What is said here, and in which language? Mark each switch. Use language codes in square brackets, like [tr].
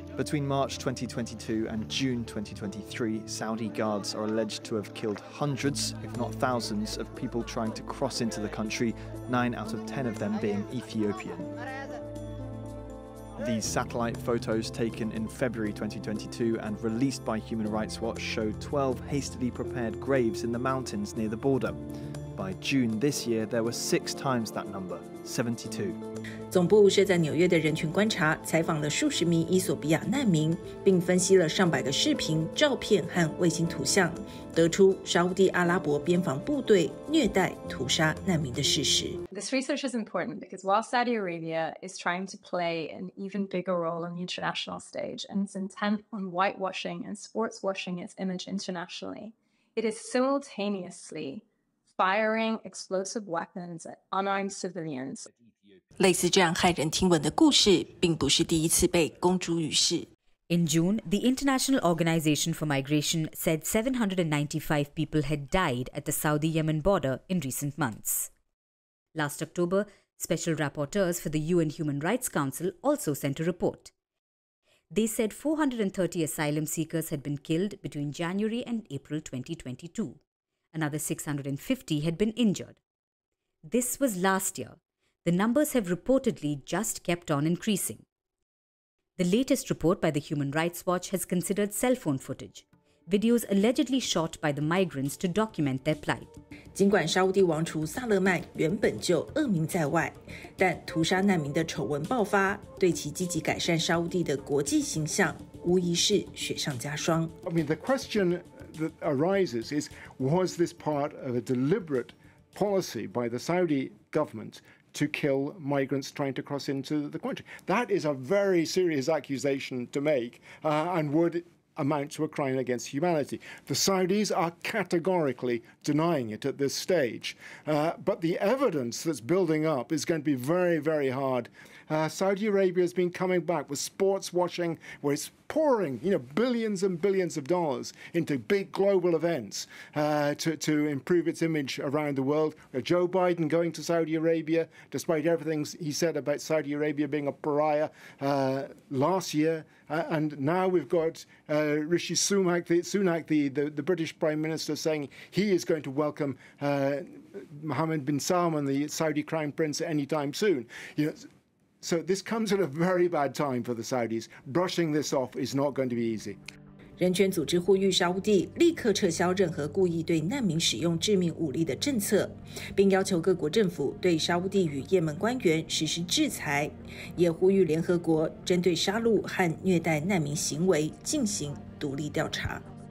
[en] Between March 2022 and June 2023, Saudi guards are alleged to have killed hundreds, if not thousands, of people trying to cross into the country, 9 out of 10 of them being Ethiopian. These satellite photos taken in February 2022 and released by Human Rights Watch show 12 hastily prepared graves in the mountains near the border. By June this year, there were 6 times that number, 72. [zh] 总部设在纽约的人权观察采访了数十名伊索比亚难民，并分析了上百个视频、照片和卫星图像，得出沙烏地阿拉伯边防部队虐待、屠杀难民的事实。 [en] This research is important because while Saudi Arabia is trying to play an even bigger role on the international stage and is intent on whitewashing and sportswashing its image internationally, it is simultaneously firing explosive weapons at unarmed civilians. [zh] 类似这样骇人听闻的故事并不是第一次被公诸于世。 [en] In June, the International Organization for Migration said 795 people had died at the Saudi-Yemen border in recent months. Last October, special rapporteurs for the UN Human Rights Council also sent a report. They said 430 asylum seekers had been killed between January and April 2022. Another 650 had been injured. This was last year. The numbers have reportedly just kept on increasing. The latest report by the Human Rights Watch has considered cell phone footage, videos allegedly shot by the migrants to document their plight. [zh] 尽管沙烏地王储萨勒曼原本就恶名在外，但屠杀难民的丑闻爆发，对其积极改善沙烏地的国际形象，无疑是雪上加霜。 [en] I mean, the question that arises is, was this part of a deliberate policy by the Saudi government? To kill migrants trying to cross into the country. That is a very serious accusation to make, and would amount to a crime against humanity. The Saudis are categorically denying it at this stage. But the evidence that's building up is going to be very, very hard. Saudi Arabia has been coming back with sports watching, where it's pouring, you know, billions and billions of dollars into big global events to improve its image around the world. Joe Biden going to Saudi Arabia, despite everything he said about Saudi Arabia being a pariah last year. And now we've got Rishi Sunak, the British Prime Minister, saying he is going to welcome Mohammed bin Salman, the Saudi Crown Prince, anytime soon. You know,So this comes at a very bad time for the Saudis. Brushing this off is not going to be easy. [zh] 人权组织呼吁沙烏地立刻撤销任何故意对难民使用致命武力的政策，并要求各国政府对沙烏地与也门官员实施制裁，也呼吁联合国针对杀戮和虐待难民行为进行独立调查。